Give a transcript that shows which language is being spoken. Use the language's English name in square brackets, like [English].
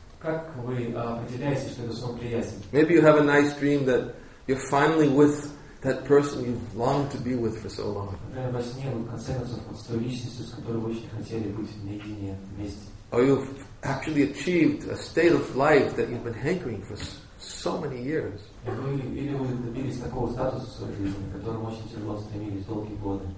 [Russian] Как вы определяете, что это сон приятен? [English] Maybe you have a nice dream that you're finally with that person you've longed to be with for so long. [Russian] Во сне вы в конце концов с той личностью, с которой вы очень хотели быть наедине вместе. [English] Or you've actually achieved a state of life that you've been hankering for so many years. [Russian] Или вы добились такого статуса в своей жизни, к которому очень тяжело стремились долгие годы.